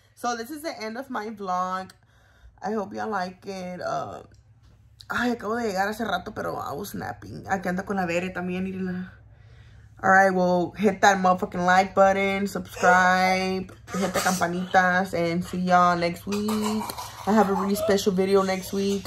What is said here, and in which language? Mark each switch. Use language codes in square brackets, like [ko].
[en] So this is the end of my vlog. I hope you like it. [es] Ay, acabo de llegar hace rato, pero [en] I was napping. [es] Aquí anda con la Bere también. [en] Alright, well, hit that motherfucking like button, subscribe, hit the campanitas, and see y'all next week. I have a really special video next week.